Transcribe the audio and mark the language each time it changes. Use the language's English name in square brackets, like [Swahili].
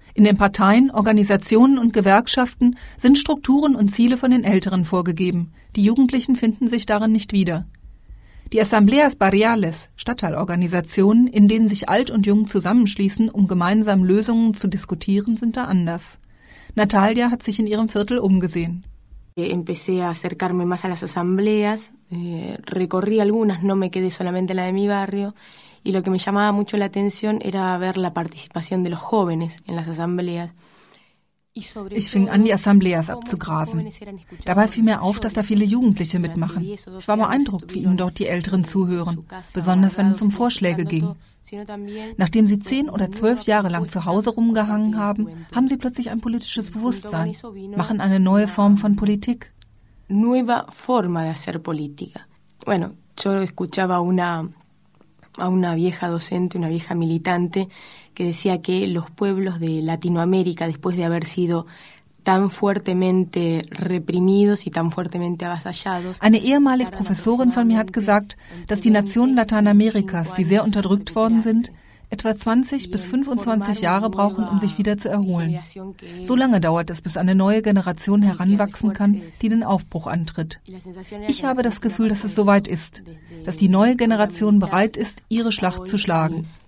[German] In den Parteien, Organisationen und Gewerkschaften sind Strukturen und Ziele von den Älteren vorgegeben. Die Jugendlichen finden sich darin nicht wieder. Die Asambleas Barriales, Stadtteilorganisationen, in denen sich Alt und Jung zusammenschließen, um gemeinsam Lösungen zu diskutieren, sind da anders. Natalia hat sich in ihrem Viertel umgesehen. [Spanish] Empecé a acercarme más a las asambleas, recorrí algunas, no me quedé solamente la de mi barrio. Y lo que me llamaba mucho la atención era ver la participación de los jóvenes en las asambleas. [German] Ich fing an, die Asambleas abzugrasen. Dabei fiel mir auf, dass da viele Jugendliche mitmachen. Ich war beeindruckt, wie ihnen dort die Älteren zuhören, besonders wenn es um Vorschläge ging. Nachdem sie 10 oder 12 Jahre lang zu Hause rumgehangen haben, haben sie plötzlich ein politisches Bewusstsein, machen eine neue Form von Politik. [Spanish] Nueva forma de hacer política. Bueno, yo escuchaba una... a una vieja docente, una vieja militante, que decía que los pueblos de Latinoamérica, después de haber sido tan fuertemente reprimidos y tan fuertemente avasallados... [German] Eine ehemalige Professorin von mir hat gesagt, dass die Nationen Lateinamerikas, die sehr unterdrückt worden sind, etwa 20 bis 25 Jahre brauchen, um sich wieder zu erholen. So lange dauert es, bis eine neue Generation heranwachsen kann, die den Aufbruch antritt. Ich habe das Gefühl, dass es soweit ist, dass die neue Generation bereit ist, ihre Schlacht zu schlagen.